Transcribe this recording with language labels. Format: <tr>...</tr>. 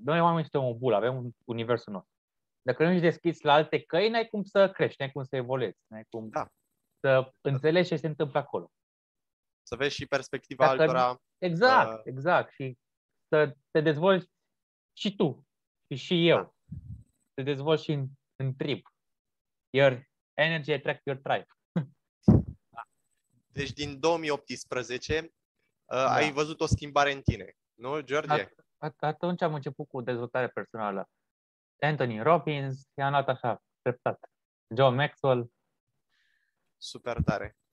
<ro>Noi oamenii suntem o bulă, avem universul nostru. Dacă nu ești deschis la alte căi, n-ai cum să crești, n-ai cum să evoluezi, n-ai cum să înțelegi ce se întâmplă acolo. Să vezi și perspectiva dacă altora. Exact, exact. Și să te dezvolți și tu, și eu. Da. Te dezvolți și în trip.</ro> <en>Your energy attracts your tribe.</en> <ro>Deci din 2018 ai văzut o schimbare în tine, nu, George? Atunci am început cu dezvoltare personală. Anthony Robbins, i-a luat așa, treptat. John Maxwell. Super tare.</ro>